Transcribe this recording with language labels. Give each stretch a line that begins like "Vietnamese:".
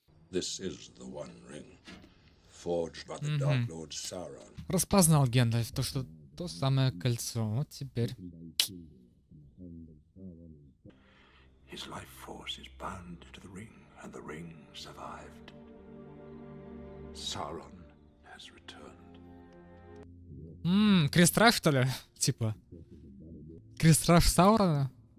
English: This is the One Ring, forged by the Dark Lord Sauron.
Russian: Распознал Гэндальф то, что то самое кольцо. Вот теперь.
English: His life force is bound to the ring, and the ring survived. Sauron has returned.
Russian: Крестраж, что ли? Типа. Крестраж Саурона?